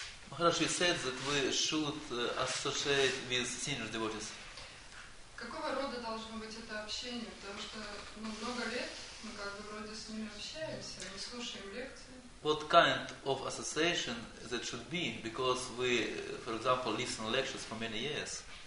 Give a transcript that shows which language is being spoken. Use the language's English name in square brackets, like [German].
[English] Maharaj, you said that we should associate with senior devotees. [Russian] Какого рода должно быть это общение? Потому что много лет мы как бы вроде с ними общаемся, мы слушаем лекции. [English] What kind of association that should be? Because we, for example, listen to lectures for many years.